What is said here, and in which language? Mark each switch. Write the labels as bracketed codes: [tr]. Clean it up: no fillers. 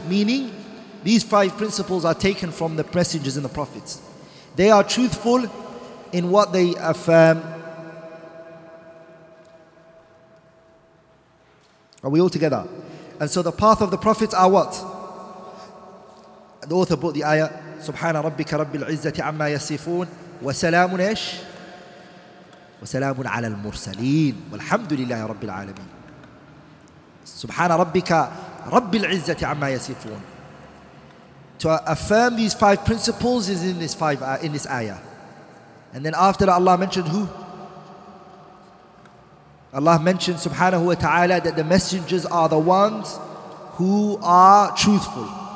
[en] Meaning, these five principles are taken from the messengers and the prophets. They are truthful in what they affirm. Are we all together? And so the path of the prophets are what? The author brought the ayah, [ar] سبحان ربك رب العزة عما يصفون وسلام إيش وسلام على المرسلين والحمد لله رب العالمين سبحان ربك رب العزة عما يصفون. [en] To affirm these five principles is in this five in this ayah, and then after that Allah mentioned who? Allah mentioned [ar] سبحانه وتعالى [en] that the messengers are the ones who are truthful.